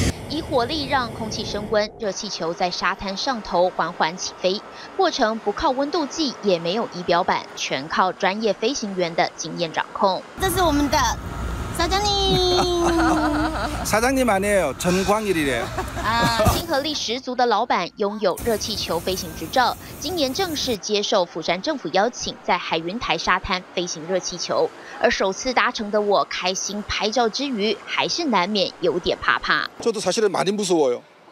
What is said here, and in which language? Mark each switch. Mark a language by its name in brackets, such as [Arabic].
[Chinese] 以火力让空气升温，热气球在沙滩上头缓缓起飞，过程不靠温度计，也没有仪表板，全靠专业飞行员的经验掌控。这是我们的사장님。 [Korean] 사장님아니에요전광일이래요 [Chinese] 亲和力十足的老板拥有热气球飞行执照，今年正式接受釜山政府邀请，在海云台沙滩飞行热气球。而首次搭乘的我，开心拍照之余，还是难免有点怕怕。 [Korean] 저도사실은많이무서워요